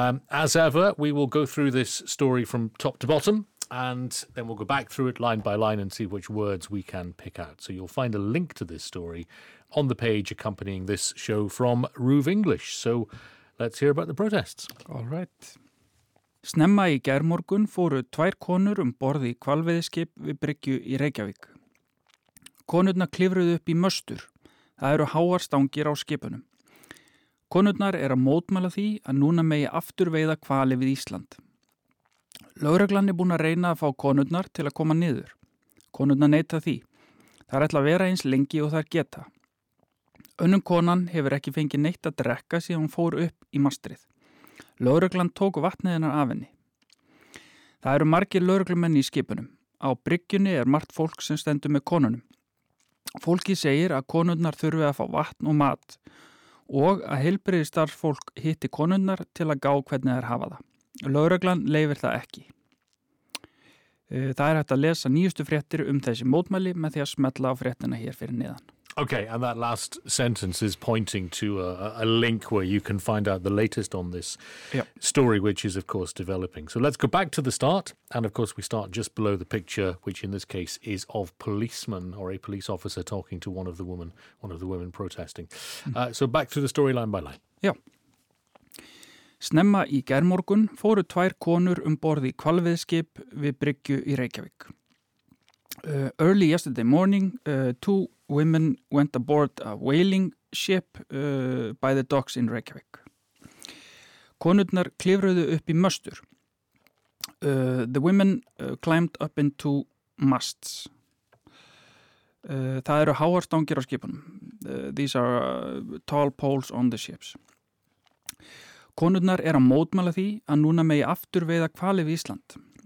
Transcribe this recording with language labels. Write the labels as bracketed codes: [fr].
[en] As ever, we will go through this story from top to bottom, and then we'll go back through it line by line and see which words we can pick out. So you'll find a link to this story on the page accompanying this show from RÚV English. So let's hear about the protests. All right. [is] Snemma í gærmorgun fóru tvær konur borð í hvalveiðiskip við bryggju í Reykjavík. Konurnar klifruðu upp í möstur. Það eru háar stangir á skipunum. Konurnar eru að mótmæla því að núna megi aftur veiða hvali við Ísland. Lögreglan búin að reyna að fá konurnar til að koma niður. Konurnar neita því. Það ætla að vera eins lengi og þær geta. Önnum konan hefur ekki fengið neitt að drekka síðan hún fór upp í mastrið. Lögreglan tók vatnið hennar af henni. Það eru margir lögreglumenn í skipunum. Á bryggjunni margt fólk sem stendur með konunum. Fólki segir að konurnar þurfi að fá vatn og mat og að heilbrigðisstarfsfólk hitti konurnar til að gá hvernig þær hafa það. Lögreglan leyfir það ekki. Það hægt að lesa nýjustu fréttir þessi mótmæli með því að smella á fréttina hér fyrir neðan. [en] Okay, and that last sentence is pointing to a link where you can find out the latest on this story, which is, of course, developing. So let's go back to the start. And, of course, we start just below the picture, which in this case is of policemen or a police officer talking to one of the women protesting. So back to the story line by line. Yeah. [is] Snemma í gærmorgun fóru tvær konur borð í hvalveiðiskip við bryggju í Reykjavík. [en] Early yesterday morning, two women went aboard a whaling ship by the docks in Reykjavik. Konurnar klifruðu upp í möstur. The women climbed up into masts. [is] Það eru háar stangir á skipunum. [en] These are tall poles on the ships. [is] Konurnar eru að mótmæla því að núna megi aftur veiða hvali við Ísland.